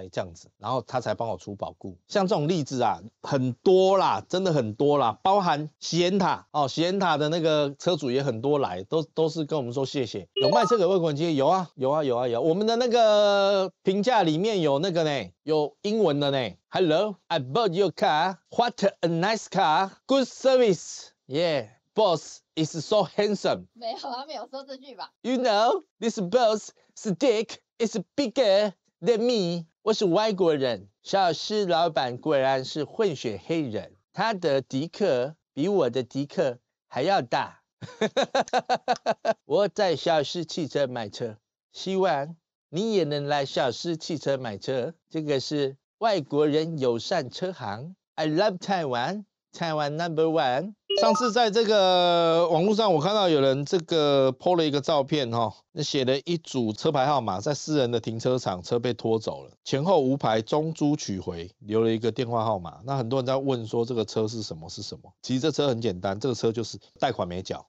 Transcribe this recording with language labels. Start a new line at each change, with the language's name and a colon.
Chinese: 才这样子，然后他才帮我出保固。像这种例子啊很多啦，真的很多啦，包含喜宴塔哦，喜宴塔的那个车主也很多来，都是跟我们说谢谢。有卖车给外国人经验？有啊有啊有啊有啊，我们的那个评价里面有那个呢，有英文的呢。
English: Hello, I bought your car. What a nice car. Good service. Yeah, boss is so handsome.
Chinese: 没有啊，没有说这句吧。
English: You know, this boss stick is bigger than me.
Chinese: 我是外国人，小师老板果然是混血黑人，他的迪克比我的迪克还要大。我在小师汽车买车，希望你也能来小师汽车买车。这个是外国人友善车行。
English: I love Taiwan, Taiwan number one.
Chinese: 上次在这个网络上我看到有人这个 po 了一个照片哦，那写了一组车牌号码，在私人的停车场车被拖走了，前后无牌，中租取回，留了一个电话号码。那很多人在问说这个车是什么是什么，其实这车很简单，这个车就是贷款没缴。